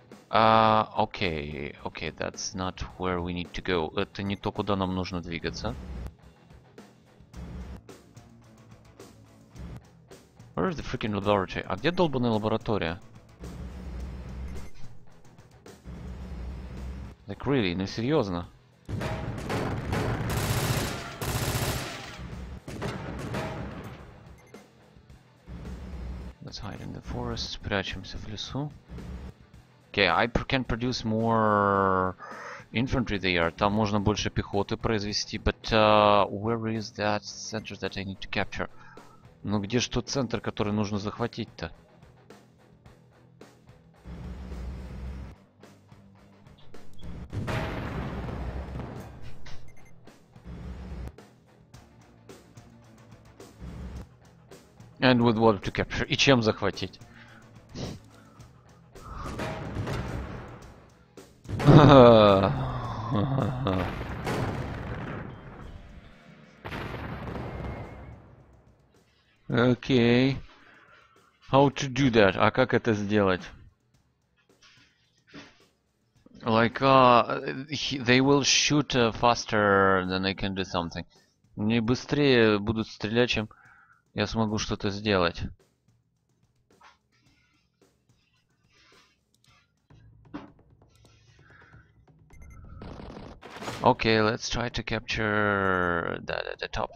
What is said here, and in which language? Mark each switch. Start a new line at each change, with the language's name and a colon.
English: Okay, that's not where we need to go.
Russian: Это не то, куда нам нужно двигаться.
English: Where is the freaking laboratory?
Russian: А где долбанная лаборатория?
English: Like really,
Russian: ну серьезно?
English: Let's hide in the forest.
Russian: Спрячемся в лесу.
English: Okay, I can produce more infantry there.
Russian: Там можно больше пехоты произвести.
English: But where is that center that I need to capture?
Russian: Ну где ж тот центр, который нужно захватить-то?
English: And with what to capture?
Russian: И чем захватить? Окей.
English: How to do that?
Russian: А как это сделать?
English: Like, they will shoot faster than I can do something.
Russian: Они быстрее будут стрелять, чем я смогу что-то сделать. Окей,
English: let's try to capture the top.